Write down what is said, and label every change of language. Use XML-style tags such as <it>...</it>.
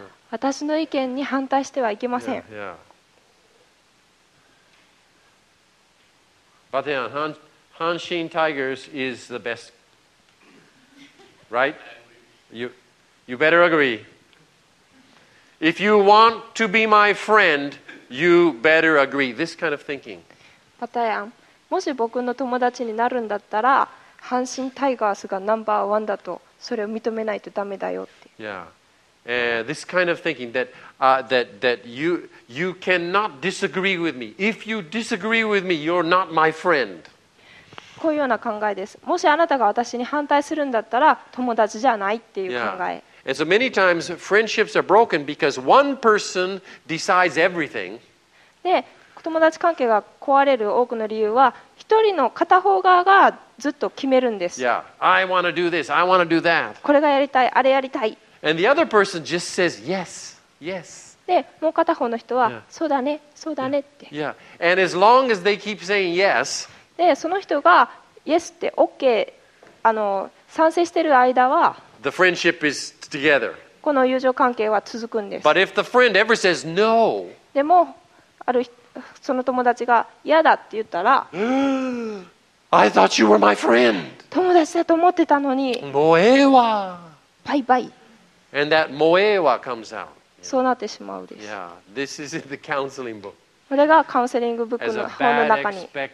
<ja>私の意見に反対してはいけません。 Yeah.</ja> <en>Yeah. But then, Hanshin Tigers is the best, right? You better agree. If you want to be my friend, you better agree. This kind of thinking.</en> <ja>パタヤン、もし僕の友達になるんだったら阪神タイガースがナンバーワンだと、それを認めないとダメだよって。</ja> <en>This kind of thinking that, that you cannot disagree with me. If you disagree with me, you're not my friend.</en> <ja>こういうような考えです。もしあなたが私に反対するんだったら友達じゃないっていう考え。 Yeah.</ja> <en>And so many times friendships are broken because one person decides everything.</en> <ja>で、友達関係が壊れる多くの理由は一人の片方側がずっと決めるんです。</ja> <en>Yeah. I want to do this. I want to do that.</en> <ja>これがやりたい、あれやりたい。</ja> <en>And the other person just says yes, yes.</en> <ja>で、もう片方の人は、yeah. そうだね、そうだねって。 Yeah.</ja> <en>And as long as they keep saying yes,</en> <ja>で、その人が yes って OK、賛成している間は、</ja> <en>the friendship is together.</en> <ja>この友情関係は続くんです。</ja> <en>But if the friend ever says no,</en> <ja>でもある、その友達が嫌だって言ったら、</ja> <en>I thought you were my friend.</en> <ja>友達だと思ってたのに、もうええわ。バイバイ。</ja> <en>And that moewa comes out.</en> <ja>そうなってしまうです。</ja> <en>Yeah, this is in the counseling book.</en> <ja>これがカウンセリングブックの本の中に</ja>